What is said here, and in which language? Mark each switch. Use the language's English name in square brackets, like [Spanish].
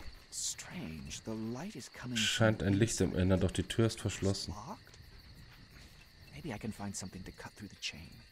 [English] Strange, the light is coming. [German] Scheint ein Licht im Innern, doch die Tür ist verschlossen. [English] Maybe I can find something to cut through the chain.